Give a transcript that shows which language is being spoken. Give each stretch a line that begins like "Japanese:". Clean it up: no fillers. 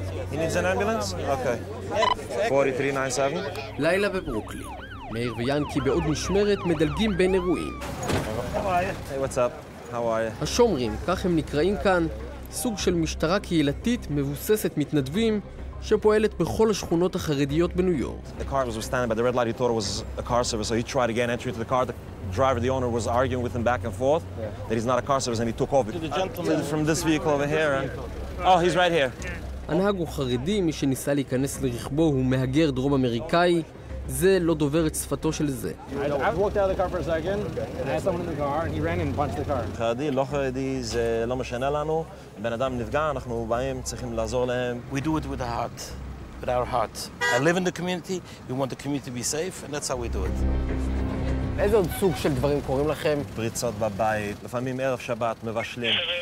English: He needs an ambulance? Okay. 4397.
Hebrew: לילה בברוקלין. מאיר ויאנקי בעוד משמרת מדלגים בין אירועים.
English: Hey, what's up? How are you?
Hebrew: השומרים, כך הם נקראים כאן, סוג של משטרה קהילתית מבוססת מתנדבים שפועלת בכל השכונות החרדיות בניו יורק.
English: The car was standing by the red light. He thought it was a car service, so he tried again entry to the car. Driver, the owner, was arguing with him back and forth that he's not a car service, and he took off. To the gentleman. From this vehicle over here. Oh, he's right here.
Hebrew: הנהג הוא חרדי, מי שניסה להיכנס לרכבו הוא מהגר דרום אמריקאי. זה לא דובר את שפתו של זה.
English: I walked out of the car for a second, and I had someone in the car, and he ran and punched the car.
Hebrew: חרדי, לא חרדי, זה לא משנה לנו. בן אדם נפגע, אנחנו באים, צריכים לעזור להם.
English: We do it with the heart, with our heart. I live in the community, we want the community to be safe, and that's how we do it.
Hebrew: איזה עוד סוג של דברים קורים לכם? פריצות בבית, לפעמים ערב שבת, מבשלים.